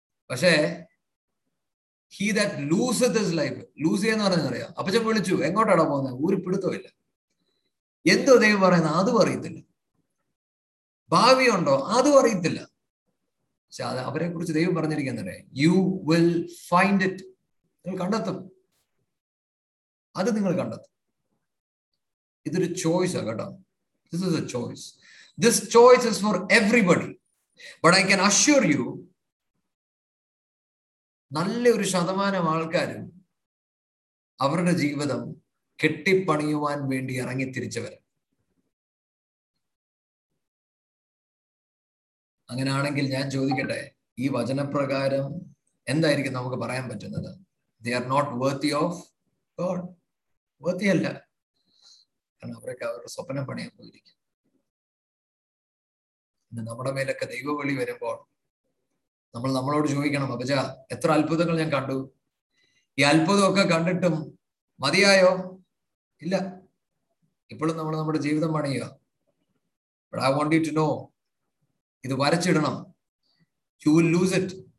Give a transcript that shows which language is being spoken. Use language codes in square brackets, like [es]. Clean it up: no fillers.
[ml] പക്ഷേ [en] he that lose his life [ml] loose ചെയ്യാന്ന് പറഞ്ഞറിയാം അപ്പച്ചൻ വിളിച്ചു എങ്ങോട്ടാണ് പോകുന്നത് ഊരി പിടുത്തമില്ല എന്തോ ദൈവം പറയുന്ന അതും അറിയത്തില്ല ഭാവിയുണ്ടോ അതും അറിയത്തില്ല പക്ഷെ അത് അവരെ കുറിച്ച് ദൈവം പറഞ്ഞിരിക്കുന്നത് [en] you will find it [ml] നിങ്ങൾ കണ്ടെത്തും അത് നിങ്ങൾ കണ്ടെത്തും ഇതൊരു ചോയ്സാണ് കേട്ടോ [en] This is a choice. This choice is for everybody. But I can assure you, [ml] നല്ല ഒരു ശതമാനം ആൾക്കാരും അവരുടെ ജീവിതം കെട്ടിപ്പണിയുവാൻ വേണ്ടി ഇറങ്ങി തിരിച്ചു വരും. അങ്ങനെയാണെങ്കിൽ ഞാൻ ചോദിക്കട്ടെ, ഈ വചനപ്രകാരം എന്തായിരിക്കും നമുക്ക് പറയാൻ പറ്റുന്നത്? [en] They are not worthy of God. [ml] Worthy അല്ല. കാരണം അവരൊക്കെ അവരുടെ സ്വപ്നം പണിയാൻ പോയിരിക്കും. പിന്നെ നമ്മുടെ മേലൊക്കെ ദൈവവിളി വരുമ്പോൾ നമ്മൾ നമ്മളോട് ചോദിക്കണം, അപ്പച്ച എത്ര അത്ഭുതങ്ങൾ ഞാൻ കണ്ടു, ഈ അത്ഭുതമൊക്കെ കണ്ടിട്ടും മതിയായോ? ഇല്ല, ഇപ്പോഴും നമ്മൾ നമ്മുടെ ജീവിതം പണിയുക. [en] but I want you to know, [ml] ഇത് വരച്ചിടണം. [en] You will lose it.